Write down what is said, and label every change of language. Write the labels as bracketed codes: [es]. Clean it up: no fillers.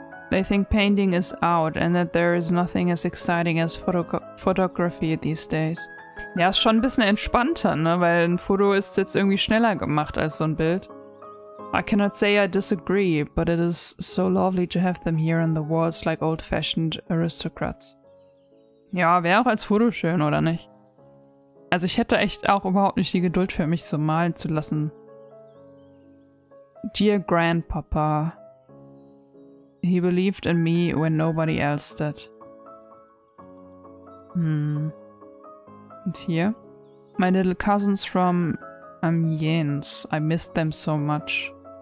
[en] They think painting is out and that there is nothing as exciting as photography these days. [de] Ja, ist schon ein bisschen entspannter, ne? Weil ein Foto ist jetzt irgendwie schneller gemacht als so ein Bild. [en] I cannot say I disagree, but it is so lovely to have them here on the walls like old-fashioned aristocrats. [de] Ja, wäre auch als Foto schön, oder nicht? Also ich hätte echt auch überhaupt nicht die Geduld für mich so malen zu lassen. [en] Dear Grandpapa, he believed in me when nobody else did. [de] Und hier. [en] My little cousins from Amiens, I missed them so much.